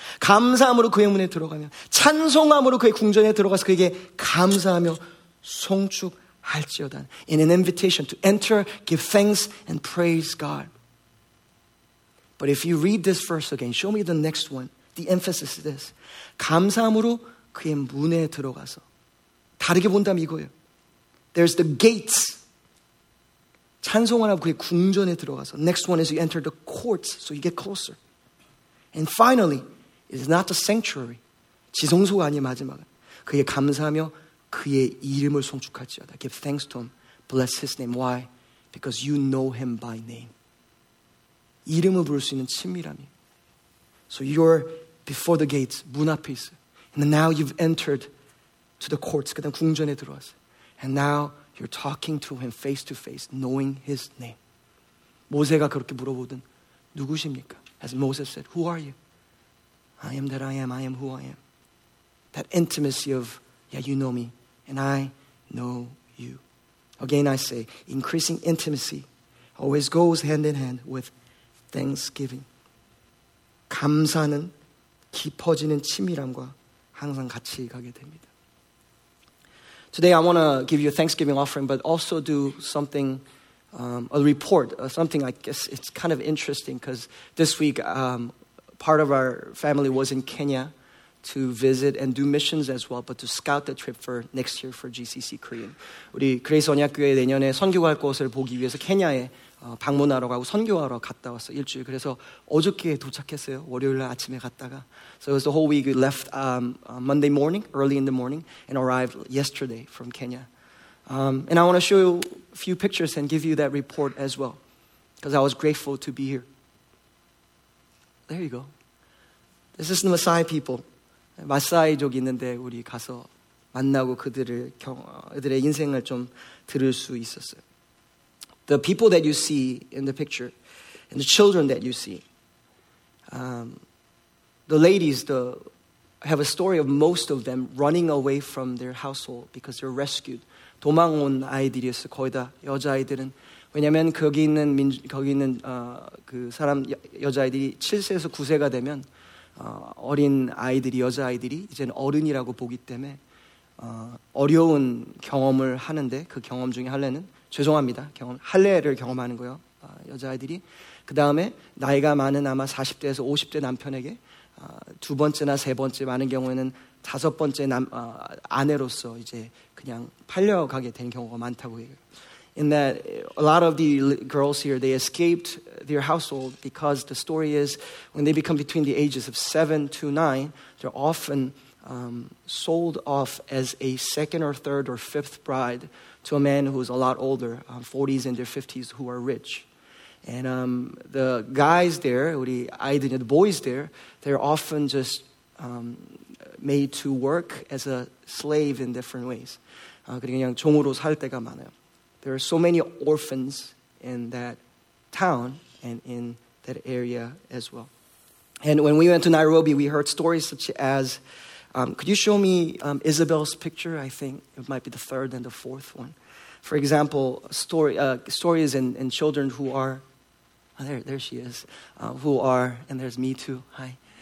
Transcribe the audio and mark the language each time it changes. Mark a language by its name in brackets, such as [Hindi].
[Korean] 감사함으로 그의 문에 들어가며 찬송함으로 그의 궁전에 들어가서 그에게 감사하며 송축할지어다. [English] In an invitation to enter, give thanks and praise God. But if you read this verse again, show me the next one. The emphasis is this. [Korean] 감사함으로 그의 문에 들어가서. 다르게 본다면 이거예요. [English] There's the gates. [Korean] 찬송을 하고 그의 궁전에 들어가서. [English] Next one is you enter the courts, so you get closer. And finally, it's not the sanctuary. [Korean] 지성소가 아니 마지막은. 그의 감사하며 그의 이름을 송축할지어다. [English] Give thanks to him. Bless his name. Why? Because you know him by name. [Korean] 이름을 부를 수 있는 친밀함이. [English] So you're before the gates, [Korean] 문 앞에 있어. [English] And now you've entered to the courts. [Korean] 그 다음 궁전에 들어왔어. [English] And now you're talking to him face to face, knowing his name. [Korean] 모세가 그렇게 물어보든, 누구십니까? [English] As Moses said, who are you? I am that I am. I am who I am. That intimacy of, yeah, you know me, and I know you. Again, I say, increasing intimacy always goes hand in hand with thanksgiving. [Korean] 감사는 깊어지는 친밀함과 항상 같이 가게 됩니다. [English] Today, I want to give you a thanksgiving offering, but also do something, a report, something I guess it's kind of interesting, because this week, part of our family was in Kenya to visit and do missions as well, but to scout the trip for next year for GCC Korean. [Korean] 우리 그레이스 언약교회 내년에 선교할 곳을 보기 위해서 케냐에 방문하러 가고 선교하러 갔다 왔어요. 일주일. 그래서 어저께 도착했어요. 월요일 아침에 갔다가. [English] So it was the whole week. We left Monday morning, early in the morning, and arrived yesterday from Kenya. And I want to show you a few pictures and give you that report as well, because I was grateful to be here. There you go. This is the Maasai people. [Korean] 마사이족 있는데 우리 가서 만나고 그들의 인생을 좀 들을 수 있었어요. [English] The people that you see in the picture and the children that you see, the ladies have a story of most of them running away from their household because they're rescued. [Korean] 도망 온 아이들이었어요. 거의 다 여자아이들은. 왜냐하면 여자아이들이 7세에서 9세가 되면 어린 아이들이 여자아이들이 이제는 어른이라고 보기 때문에 어려운 경험을 하는데 그 경험 중에 할래는 죄송합니다. 할례를 경험하는 거예요. 여자아이들이. 그 다음에 나이가 많은 아마 40대에서 50대 남편에게 두 번째나 세 번째 많은 경우에는 다섯 번째 아내로서 이제 그냥 팔려가게 된 경우가 많다고 해요. [English] In that a lot of the girls here, they escaped their household because the story is when they become between the ages of 7 to 9, they're often sold off as a second or third or fifth bride to a man who is a lot older, 40s and their 50s, who are rich. And the guys there, [Korean] 우리 아이들, [English] the boys there, they're often just made to work as a slave in different ways. [Korean] 그리고 그냥 종으로 살 때가 많아요. [English] There are so many orphans in that town and in that area as well. And when we went to Nairobi, we heard stories such as, could you show me Isabel's picture? I think it might be the third and the fourth one. For example, stories in children who are, oh, there she is, who are, and there's me too, hi.